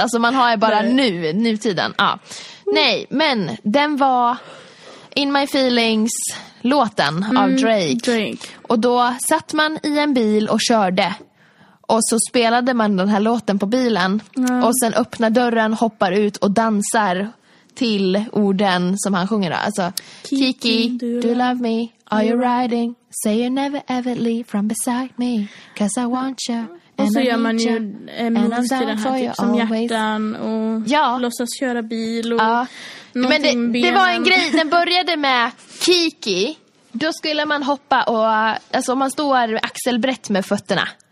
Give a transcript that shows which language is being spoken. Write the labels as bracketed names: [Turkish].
[Swedish] Alltså man har ju bara nutiden. Ja. Nej, men den var In My Feelings- låten av Drake. Och då satt man i en bil och körde. Och så spelade man den här låten på bilen. Mm. Och sen öppnar dörren, hoppar ut och dansar till orden som han sjunger. [English] Alltså, Kiki, do you love me? Are you riding? Say you never ever leave from beside me. 'Cause I want you. [Swedish] Och så gör man ju minnas till den här typ som hjärtan och låtsas köra bil och någonting. Men det var en grej, den började med Kiki. Då skulle man hoppa och, alltså man står axelbrett med fötterna.